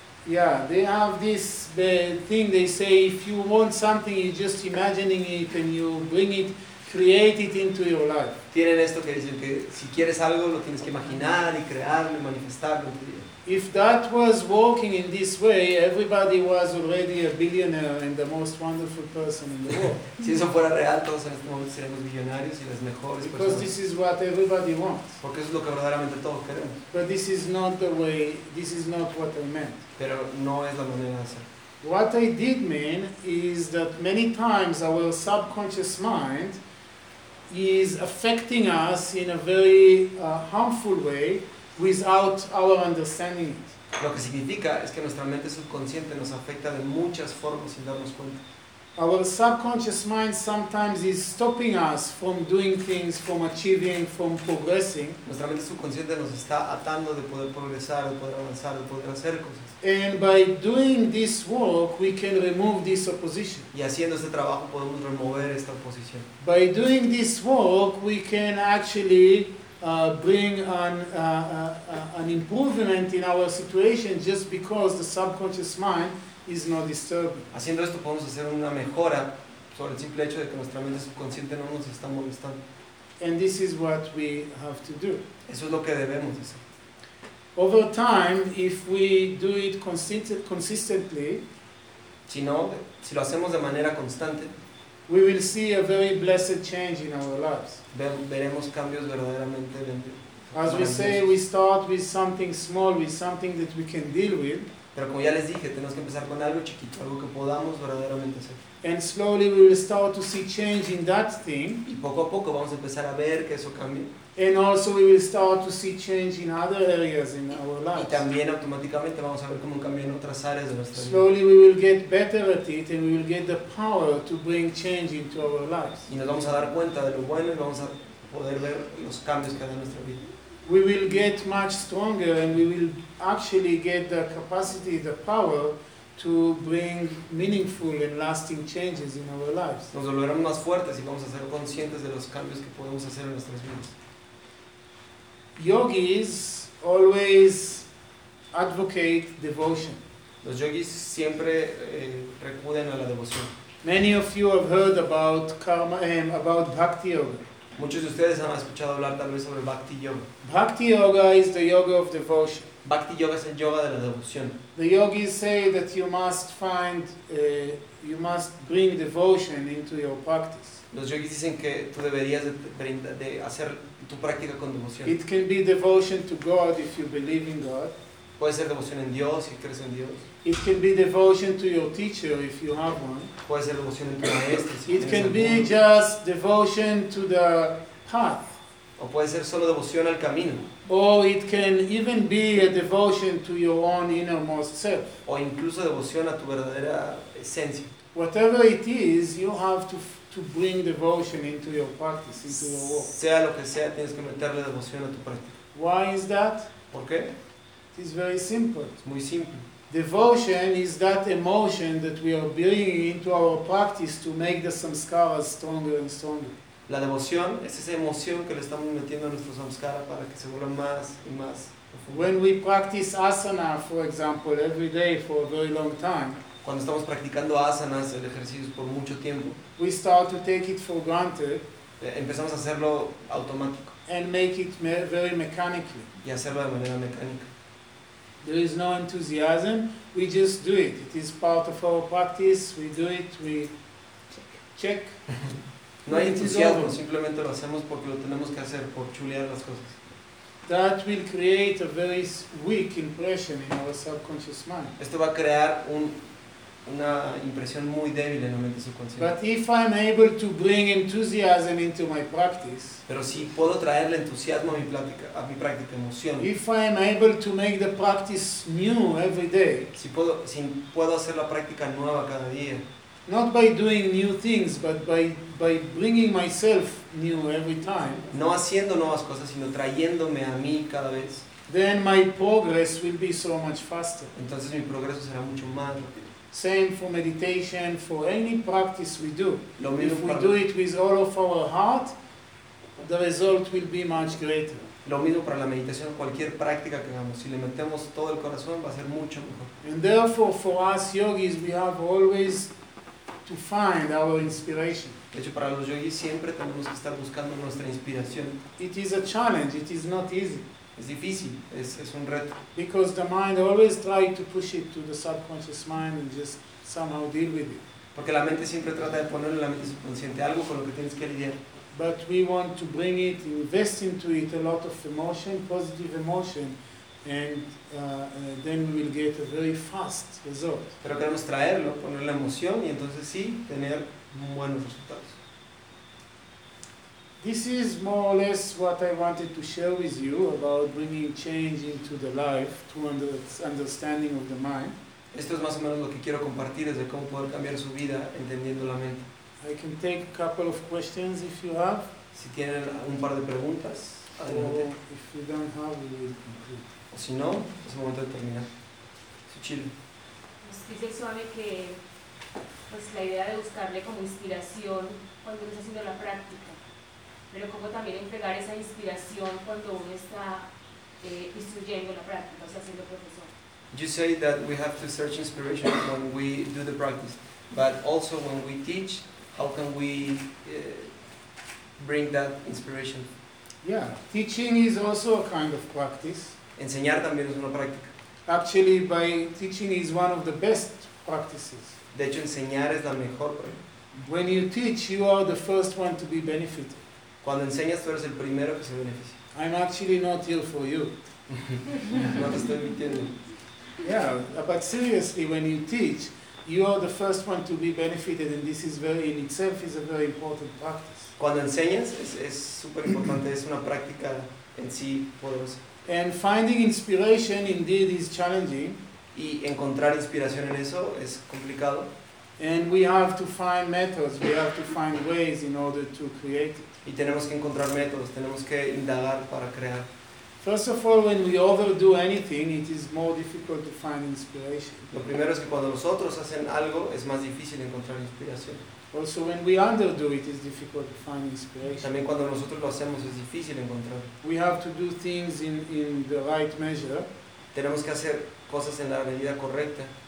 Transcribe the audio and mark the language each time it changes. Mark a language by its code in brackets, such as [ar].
[en] Yeah, they have this thing, they say, if you want something, you're just imagining it and you bring it, create it into your life. [es] Tienen esto que dicen que si quieres algo, lo tienes que imaginar y crearlo y manifestarlo. [en] If that was working in this way, everybody was already a billionaire and the most wonderful person in the world. [es] Si eso fuera real, todos en este momento seríamos millonarios y las mejores [en] Because [es] personas. [en] This is what everybody wants. [es] Porque eso es lo que verdaderamente todos queremos. [en] But this is not the way, this is not what I meant. [es] Pero no es la manera de hacer. [en] What I did mean is that many times our subconscious mind is affecting us in a very harmful way without our understanding it. [es] Lo que significa es que nuestra mente subconsciente nos afecta de muchas formas sin darnos cuenta. [en] Our subconscious mind sometimes is stopping us from doing things, from achieving, from progressing. [es] Nuestra mente subconsciente nos está atando de poder progresar, de poder avanzar, de poder hacer cosas. [en] And by doing this work, we can remove this opposition. [es] Y haciendo este trabajo podemos remover esta oposición. [en] By doing this work, we can actually bring an improvement in our situation just because the subconscious mind is not disturbing. [es] Haciendo esto podemos hacer una mejora sobre el simple hecho de que nuestra mente subconsciente no nos está molestando. [en] And this is what we have to do. [es] Eso es lo que debemos hacer. [en] Over time, if we do it consistently, [es] si lo hacemos de manera constante, [en] we will see a very blessed change in our lives. [es] Veremos cambios verdaderamente. [en] As we say, we start with something small, with something that we can deal with. [es] Pero como ya les dije, tenemos que empezar con algo chiquito, algo que podamos verdaderamente hacer. [en] And slowly we will start to see change in that thing. [es] Y poco a poco vamos a empezar a ver que eso cambie. [en] And also we will start to see change in other areas in our lives. [es] Y también automáticamente vamos a ver cómo cambia en otras áreas de nuestra vida. [en] Slowly we will get better at it and we will get the power to bring change into our lives. [es] Y nos vamos a dar cuenta de lo bueno y vamos a poder ver los cambios que hay en nuestra vida. [en] We will get much stronger and we will actually get the capacity, the power to bring meaningful and lasting changes in our lives. [es] Nos volveremos más fuertes y vamos a ser conscientes de los cambios que podemos hacer en nuestras vidas. [en] Yogis always advocate devotion. [es] Los yogis siempre recuden a la devoción. [en] Many of you have heard about karma, about bhakti yoga. [es] Muchos de ustedes han escuchado hablar tal vez sobre bhakti yoga. [en] Bhakti yoga is the yoga of devotion. [es] Bhakti yoga es el yoga de la devoción. [en] The yogis say that you must find, you must bring devotion into your practice. [es] Los yogis dicen que tú deberías de hacer tu práctica con devoción. [en] It can be devotion to God if you believe in God. [es] Puede ser devoción en Dios si crees en Dios. [en] It can be devotion to your teacher if you have one. [es] Puede ser devoción en tu maestro. [en] It can be just devotion to the path. [es] O puede ser solo devoción al camino. [en] Or it can even be a devotion to your own innermost self. [es] O incluso devoción a tu verdadera esencia. [en] Whatever it is, you have to bring devotion into your practice, into your work. [es] Sea lo que sea, tienes que meterle devoción a tu práctica. [en] Why is that? [es] ¿Por qué? [en] It is very simple. [es] Es muy simple. [en] Devotion is that emotion that we are bringing into our practice to make the samskaras stronger and stronger. [es] La devoción es esa emoción que le estamos metiendo a nuestro samskara para que se vuelva más y más. [en] When we practice asana, for example, every day for a very long time, [es] cuando estamos practicando asanas, el ejercicio por mucho tiempo, [en] we start to take it for granted, [es] empezamos a hacerlo automático, [en] and make it very mechanically, [es] y hacerlo de manera mecánica. [en] There is no enthusiasm, we just do it. It is part of our practice, we do it, we check. [es] No hay entusiasmo, simplemente lo hacemos porque lo tenemos que hacer, por chulear las cosas. [en] That will create a very weak impression in our subconscious mind. [es] Esto va a crear una impresión muy débil en la mente subconsciente. [en] But if I'm able to bring enthusiasm into my practice, [es] pero si puedo traer el entusiasmo a mi práctica, emoción. [en] If I'm able to make the practice new every day, [es] si puedo hacer la práctica nueva cada día. [en] Not by doing new things, but by bringing myself new every time. [es] No haciendo nuevas cosas, sino trayéndome a mí cada vez. [en] Then my progress will be so much faster. [es] Entonces mi progreso será mucho más rápido. [en] Same for meditation, for any practice we do. [es] Lo mismo [en] if we do it with all of our heart, the result will be much greater. [es] Lo mismo para la meditación, cualquier práctica que hagamos. Si le metemos todo el corazón, va a ser mucho mejor. [en] And therefore, for us yogis, we have always to find our inspiration. [es] De hecho, para los yogis siempre tenemos que estar buscando nuestra inspiración. [en] It is a challenge, it is not easy. [es] Es difícil, es un reto. [en] Because the mind always tries to push it to the subconscious mind and just somehow deal with it. [es] Porque la mente siempre trata de ponerle en la mente subconsciente algo con lo que tienes que lidiar. [en] But we want to bring it, invest into it a lot of emotion, positive emotion, and then we will get a very fast result. [es] Pero queremos traerlo, poner la emoción y entonces sí tener buenos resultados. [en] This is more or less what I wanted to share with you about bringing change into the life through understanding of the mind. [es] Esto es más o menos lo que quiero compartir, es de cómo poder cambiar su vida entendiendo la mente. [en] I can take a couple of questions if you have. [es] Si tienen un par de preguntas, adelante. [en] If you don't have, we will complete. [es] O si no, es el momento de terminar. Su chile. Nos dice el Swami que pues, la idea de buscarle como inspiración cuando uno está haciendo la práctica, pero cómo también entregar esa inspiración cuando uno está instruyendo la práctica, o sea, siendo profesor. [en] You say that we have to search inspiration when we do the practice, but also when we teach, how can we bring that inspiration? Yeah, teaching is also a kind of practice. [es] Enseñar también es una práctica. [en] Actually, by teaching is one of the best practices. [es] De hecho, enseñar es la mejor práctica. [en] When you teach, you are the first one to be benefited. [es] Cuando enseñas, tú eres el primero que se beneficia. [en] I'm actually not ill for you. [es] No te estoy mintiendo. [en] Yeah, but seriously, when you teach, you are the first one to be benefited, and this is very, in itself, is a very important practice. [es] Cuando enseñas, es súper importante, es una práctica en sí poderosa. [en] And finding inspiration, indeed, is challenging. [es] Y encontrar inspiración en eso es complicado. [en] And we have to find methods, we have to find ways in order to create it. [es] Y tenemos que encontrar métodos, tenemos que indagar para crear. [en] First of all, when we overdo anything, it is more difficult to find inspiration. [es] Lo primero es que cuando los otros hacen algo, es más difícil encontrar inspiración. [en] Also, when we underdo, it is difficult to find inspiration. [es] También cuando nosotros lo hacemos, es difícil encontrar. [en] We have to do things in the right measure. [es] Tenemos que hacer cosas en la medida correcta.